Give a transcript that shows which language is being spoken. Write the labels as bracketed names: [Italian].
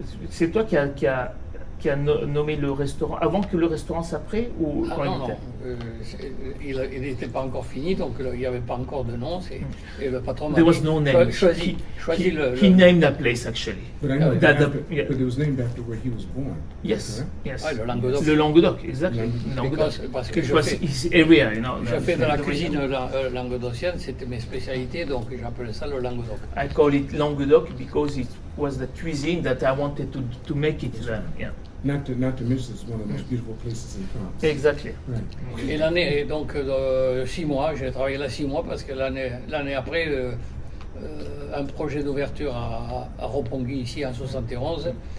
[French] C'est toi qui a nommé le restaurant avant que le restaurant s'appelait ou quand il était? Non. Il n'était pas encore fini, donc il n'y avait pas encore de nom. Et le patron [English] there was no name. He named the place actually. But it was named after where he was born. Yes. Correct? Yes. [French] Le Languedoc. [English] Exactly. [French] Parce que [English] it was his area, you know. [French] Je fais de la cuisine languedocienne. C'était mes spécialités, donc j'appelais ça le Languedoc. [English] I call it Languedoc because it was the cuisine that I wanted to make it there. Yeah. Not to miss this, one of the most beautiful places in France. Exactly. Right. [French] Et l'année, et donc, 6 mois, j'ai travaillé là 6 mois, parce que l'année après, un projet d'ouverture à Roppongi, ici, en 71.